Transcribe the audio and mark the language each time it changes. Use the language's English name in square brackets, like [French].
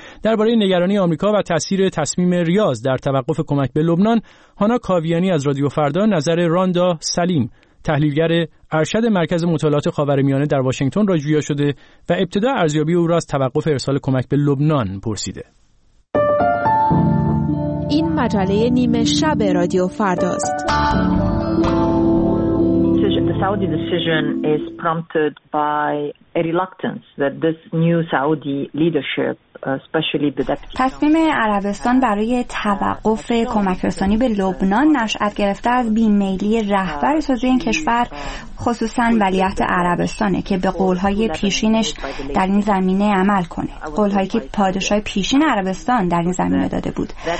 [Persian] درباره نگرانی آمریکا و تاثیر تصمیم ریاض در توقف کمک به لبنان، هانا کاویانی از رادیو فردا نظر راندا سلیم، تحلیلگر ارشد مرکز مطالعات خاورمیانه در واشنگتن را جویا شده و ابتدا ارزیابی او را از توقف ارسال کمک به لبنان پرسیده. این مجله نیمه شب رادیو فردا است. [English] Saudi decision is prompted by a reluctance that this new Saudi leadership [Persian] تصمیم عربستان برای توقف کمک رسانی به لبنان نشأت گرفته از بی‌میلی رهبر سازی این کشور، خصوصا ولیعهد عربستانه که به قولهای پیشینش در این زمینه عمل کنه، قولهایی که پادشاه پیشین عربستان در این زمینه داده بود.